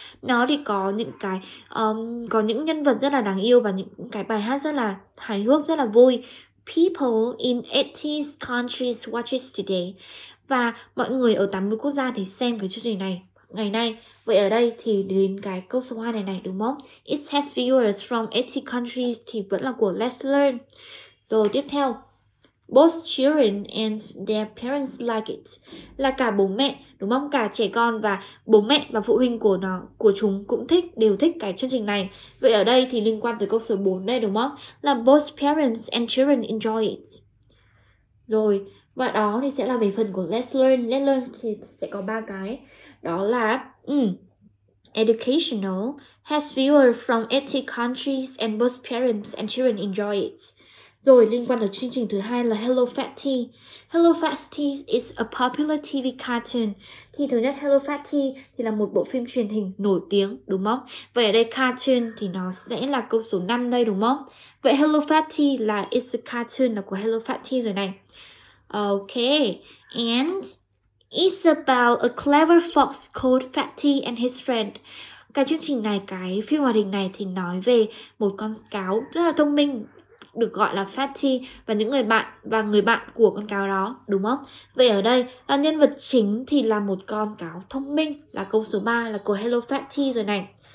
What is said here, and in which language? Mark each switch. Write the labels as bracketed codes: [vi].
[vi] Nó thì có những cái có những nhân vật rất là đáng yêu và những cái bài hát rất là hài hước, rất là vui. [en] People in 80 countries watch it today. [vi] Và mọi người ở 80 quốc gia thì xem cái chương trình này ngày nay. Vậy ở đây thì đến cái câu số 2 này, đúng không? [en] It has viewers from 80 countries [vi] thì vẫn là của Let's Learn. Rồi tiếp theo, [en] both children and their parents like it. [vi] Là cả bố mẹ, đúng không? Cả trẻ con và bố mẹ và phụ huynh của nó, của chúng cũng thích, đều thích cái chương trình này. Vậy ở đây thì liên quan tới câu số 4 đây, đúng không? Là [en] both parents and children enjoy it. [vi] Rồi, và đó thì sẽ là về phần của Let's Learn. Let's Learn thì sẽ có 3 cái. Đó là [en] educational, has viewers from 80 countries and both parents and children enjoy it. [vi] Rồi, liên quan tới chương trình thứ hai là Hello Fatty. Hello Fatty [en] is a popular TV cartoon. [vi] Thì thứ nhất, Hello Fatty thì là một bộ phim truyền hình nổi tiếng, đúng không? Vậy ở đây cartoon thì nó sẽ là câu số 5 đây, đúng không? Vậy Hello Fatty là [en] it's a cartoon [vi] là của Hello Fatty rồi này. [en] Ok, and it's about a clever fox called Fatty and his friend. [vi] Cái chương trình này, cái phim hoạt hình này thì nói về một con cáo rất là thông minh được gọi là Fatty và những người bạn và người bạn của con cáo đó, đúng không? Vậy ở đây là nhân vật chính thì là một con cáo thông minh, là câu số 3 là của Hello Fatty rồi này.